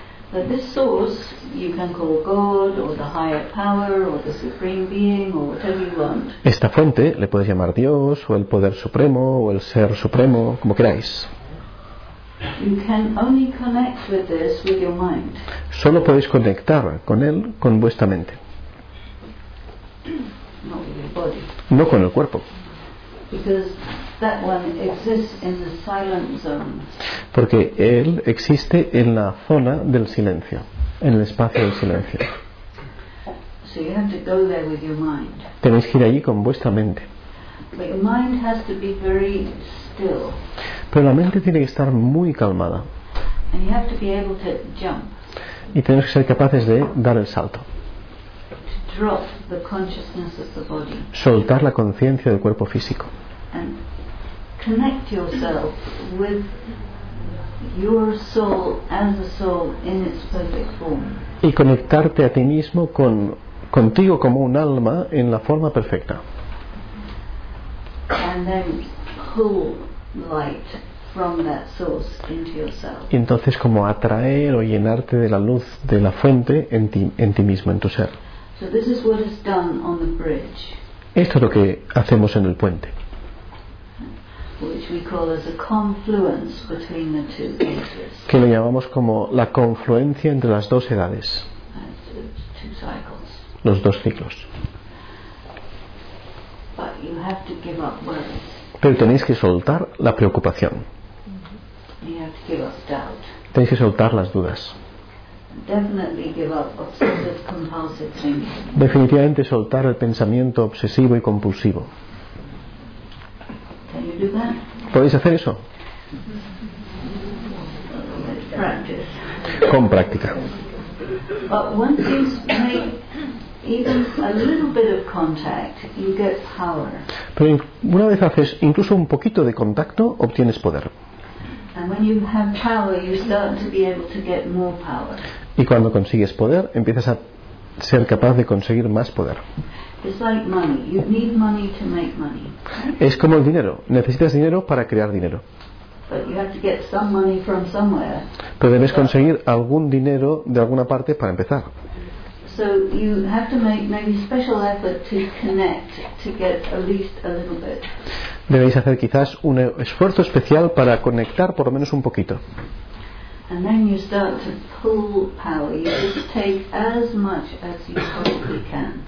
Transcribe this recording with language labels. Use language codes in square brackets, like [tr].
[en] That this source you can call God or the higher power or the supreme being or whatever you want. [es] Esta fuente le puedes llamar Dios o el poder supremo o el ser supremo, como queráis. [en] You can only connect with this with your mind. [es] Solo podéis conectar con él con vuestra mente. [en] Not with your body. [es] No con el cuerpo. [en] Because that one exists in the silent zone. [es] Porque él existe en la zona del silencio, en el espacio del silencio. [en] So you have to go there with your mind. [es] Tenéis que ir allí con vuestra mente. [en] But your mind has to be very still. [es] Pero la mente tiene que estar muy calmada. [en] And you have to be able to jump. [es] Y tenemos que ser capaces de dar el salto. [en] To drop the consciousness of the body. [es] Soltar la conciencia del cuerpo físico. [en] And connect yourself with your soul as a soul in its perfect form. [es] Y conectarte a ti mismo contigo como un alma en la forma perfecta. [en] And then pull light from that source into yourself. [es] Y entonces como atraer o llenarte de la luz de la fuente en ti mismo, en tu ser. [en] So this is what is done on the bridge. [es] Esto es lo que hacemos en el puente. [en] Which we call as a confluence between the two ages. [es] Que lo llamamos como la confluencia entre las dos edades. [en] Two cycles. [es] Los dos ciclos. [en] you have to give up worries. [es] Pero tenéis que soltar la preocupación. [en] You have to give up doubt. [es] Tenéis que soltar las dudas. [en] Definitely give up obsessive compulsive thinking. [es] Definitivamente soltar el pensamiento obsesivo y compulsivo. [en] Can you do that? [es] ¿Podéis hacer eso? [en] Practice. [es] Con práctica. [en] But once you make even a little bit of contact, you get power. [es] Pero una vez haces incluso un poquito de contacto, obtienes poder. [en] And when you have power, you start to be able to get more power. [es] Y cuando consigues poder, empiezas a ser capaz de conseguir más poder. [en] It's like money. You need money to make money. [es] Es como el dinero. Necesitas dinero para crear dinero. [en] But you have to get some money from somewhere. [es] Pero debes conseguir algún dinero de alguna parte para empezar. [en] So you have to make maybe special effort to connect to get at least a little bit. [es] Debéis hacer quizás un esfuerzo especial para conectar por lo menos un poquito. [en] And then you start to pull power. You just take as much as you possibly can.